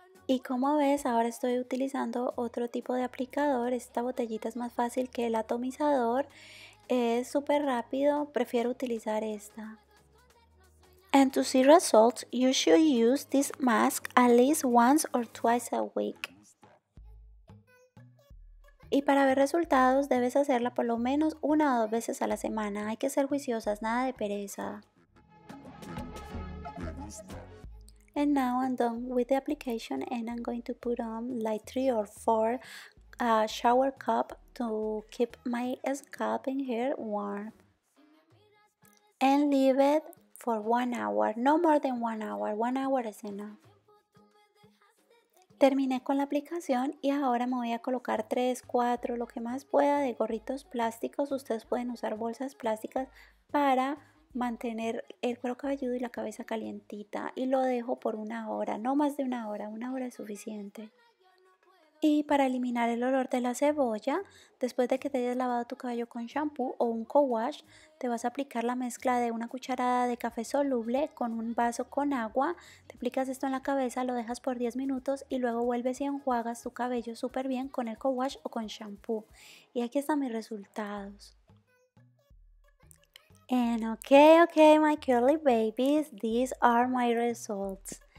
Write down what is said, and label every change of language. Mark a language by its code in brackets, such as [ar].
[es] Y como ves, ahora estoy utilizando otro tipo de aplicador. Esta botellita es más fácil que el atomizador. Es súper rápido, prefiero utilizar esta. [en] And to see results, you should use this mask at least once or twice a week. [es] Y para ver resultados debes hacerla por lo menos una o dos veces a la semana. Hay que ser juiciosas, nada de pereza. [en] And now I'm done with the application and I'm going to put on like three or four shower cup to keep my scalp and hair warm. And leave it for 1 hour, no more than 1 hour. 1 hour is enough. [es] Terminé con la aplicación y ahora me voy a colocar 3, 4, lo que más pueda de gorritos plásticos. Ustedes pueden usar bolsas plásticas para mantener el cuero cabelludo y la cabeza calientita. Y lo dejo por 1 hora, no más de 1 hora, 1 hora es suficiente. Y para eliminar el olor de la cebolla, después de que te hayas lavado tu cabello con shampoo o un co-wash, te vas a aplicar la mezcla de una cucharada de café soluble con un vaso con agua. Te aplicas esto en la cabeza, lo dejas por 10 minutos y luego vuelves y enjuagas tu cabello súper bien con el co-wash o con shampoo. Y aquí están mis resultados. [en] And okay, my curly babies, these are my results.